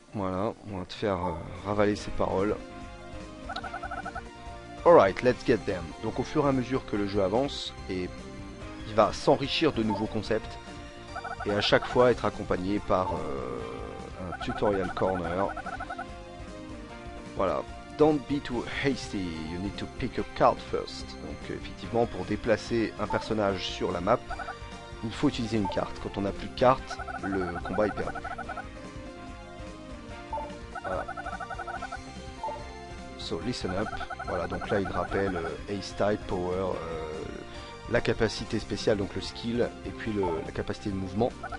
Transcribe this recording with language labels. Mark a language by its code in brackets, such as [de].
[fr] Voilà, on va te faire ravaler ces paroles. [en] Alright, let's get them. [fr] Donc au fur et à mesure que le jeu avance, et il va s'enrichir de nouveaux concepts, et à chaque fois être accompagné par un [en] tutorial corner. [fr] Voilà. [en] Don't be too hasty, you need to pick a card first. [fr] Donc effectivement, pour déplacer un personnage sur la map, il faut utiliser une carte. Quand on n'a plus de carte, le combat est perdu. Voilà. [en] So listen up. [fr] Voilà, donc là il rappelle Ace type, power, la capacité spéciale, donc le skill, et puis la capacité de mouvement.